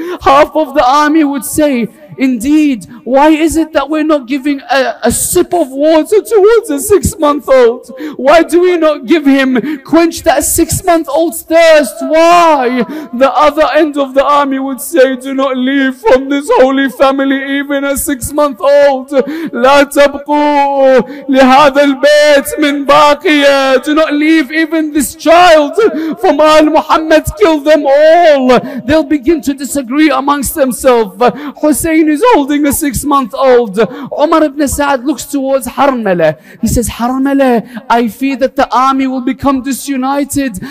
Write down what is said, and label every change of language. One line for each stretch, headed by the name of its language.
English: Half of the army would say, indeed, why is it that we're not giving a sip of water towards a 6-month-old? Why do we not give him, quench that 6-month-old's thirst? Why? The other end of the army would say, do not leave from this holy family even a 6-month-old.
Arabic: لا تبقوا لهذا البيت من باقية.
English: Do not leave even this child from Al Muhammad. Kill them all. They'll begin to disagree amongst themselves. Hussein is holding a 6-month-old. Umar ibn Sa'd looks towards Harmala. He says, Harmala, I fear that the army will become disunited.